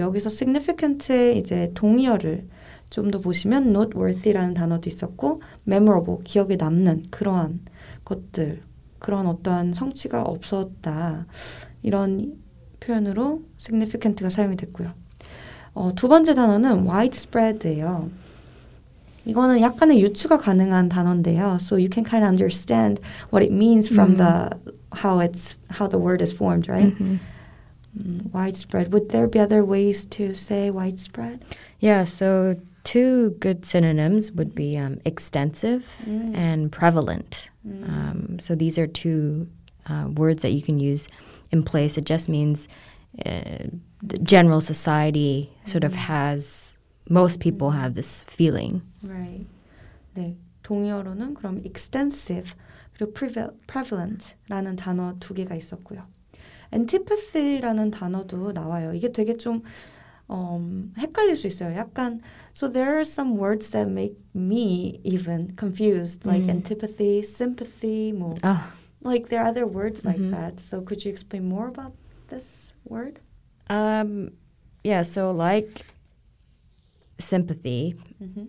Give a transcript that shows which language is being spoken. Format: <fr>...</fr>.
<ko>여기서 significant의 이제 동의어를 좀 더 보시면 noteworthy라는 단어도 있었고 memorable, 기억에 남는 그러한 것들 그런 어떠한 성취가 없었다 이런 표현으로 significant가 사용이 됐고요. 두 번째 단어는 widespread예요. 이거는 약간의 유추가 가능한 단어인데요.</ko> <en>So you can kind of understand what it means from mm-hmm. how the word is formed, right? Mm-hmm. Widespread. Would there be other ways to say widespread? Yeah. So two good synonyms would be extensive mm. and prevalent. Mm. So these are two words that you can use in place. It just means the general society sort mm. of has, most people mm. have this feeling. Right.</en> <ko>네, 동의어로는 그럼 extensive 그리고 prevalent라는 단어 두 개가 있었고요. Antipathy라는 단어도 나와요. 이게 되게 좀 헷갈릴 수 있어요. 약간</ko> <en>so there are some words that make me even confused, like mm. antipathy, sympathy, 뭐, like there are other words mm-hmm. like that. So could you explain more about this word? Yeah. So like sympathy, mm-hmm.</en>